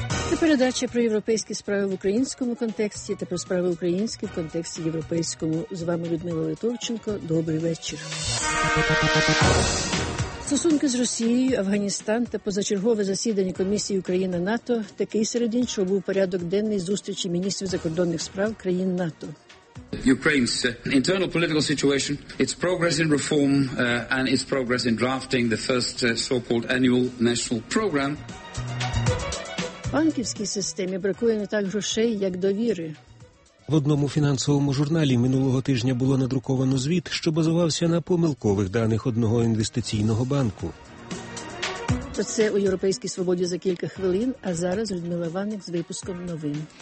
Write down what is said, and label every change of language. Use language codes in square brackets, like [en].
[uk] Це передача про європейські справи в українському контексті та про справи українські в контексті європейському. З вами Людмила Литовченко. Добрий вечір. Стосунки з Росією, Афганістан та позачергове засідання комісії Україна-НАТО – такий серед іншого був порядок денний зустрічі міністрів закордонних справ країн НАТО. [en] Ukraine's internal political situation, its progress in reform and its progress in drafting the first so-called annual national program. [uk] Банківській системі бракує не так грошей, як довіри. В одному фінансовому журналі минулого тижня було надруковано звіт, що базувався на помилкових даних одного інвестиційного банку. Про це у «Європейській свободі» за кілька хвилин, а зараз Людмила Ванник з випуском новин.